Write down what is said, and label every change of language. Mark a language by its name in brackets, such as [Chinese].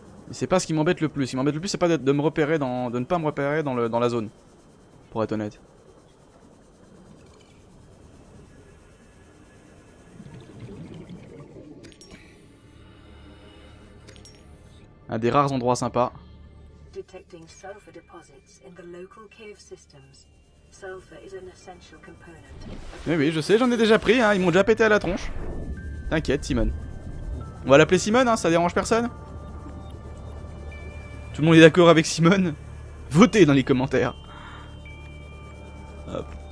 [French] Et c'est pas ce qui m'embête le plus. Ce qui m'embête le plus, c'est pas de me repérer dans, de ne pas me repérer dans, dans la zone. Pour être honnête. Un des rares endroits sympas. [English] Detecting sulfur deposits in the local cave systems. Sulfur is an essential component. [French] Mais oui, je sais, j'en ai déjà pris, hein. Ils m'ont déjà pété à la tronche. T'inquiète, Simone. On va l'appeler Simone, hein, ça dérange personne. Tout le monde est d'accord avec Simone? Votez dans les commentaires. Hop.